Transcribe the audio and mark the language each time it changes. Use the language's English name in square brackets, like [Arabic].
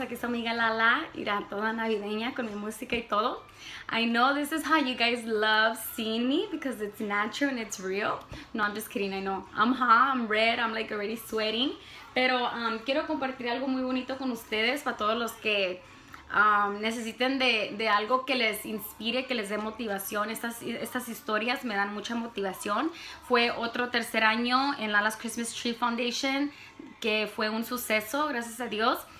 [Spanish] Aquí su amiga Lala, irá toda navideña con mi música y todo. [English] I know this is how you guys love seeing me because it's natural and it's real. No, I'm just kidding, I know. I'm hot, I'm red, I'm like already sweating. [Spanish] Pero quiero compartir algo muy bonito con ustedes para todos los que necesiten de algo que les inspire, que les dé motivación. Estas historias me dan mucha motivación. Fue otro tercer año en Lala's Christmas Tree Foundation, que fue un suceso, gracias a Dios.